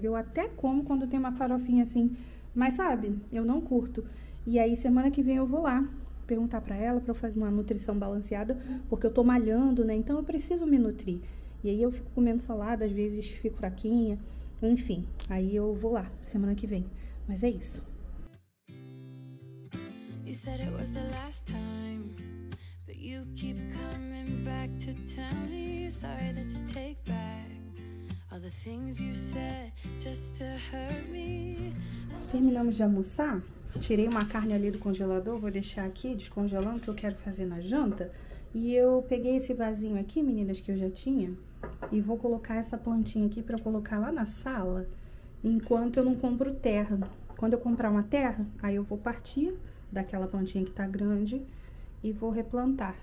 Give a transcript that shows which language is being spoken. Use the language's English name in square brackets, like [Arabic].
[Portuguese] Eu até como quando tem uma farofinha assim, mas sabe, eu não curto. E aí semana que vem eu vou lá perguntar para ela para eu fazer uma nutrição balanceada, porque eu tô malhando, né? Então eu preciso me nutrir. E aí eu fico comendo salada, às vezes fico fraquinha, enfim. Aí eu vou lá semana que vem. Mas é isso. [English] You said it was the last time, but you keep coming back to tell me. Sorry that you take back all the things you said just to hurt me. [Portuguese] Terminamos de almoçar. Tirei uma carne ali do congelador, vou deixar aqui descongelando que eu quero fazer na janta. E eu peguei esse vasinho aqui, meninas, que eu já tinha, e vou colocar essa plantinha aqui para colocar lá na sala, enquanto eu não compro terra. Quando eu comprar uma terra, aí eu vou partir daquela plantinha que tá grande e vou replantar.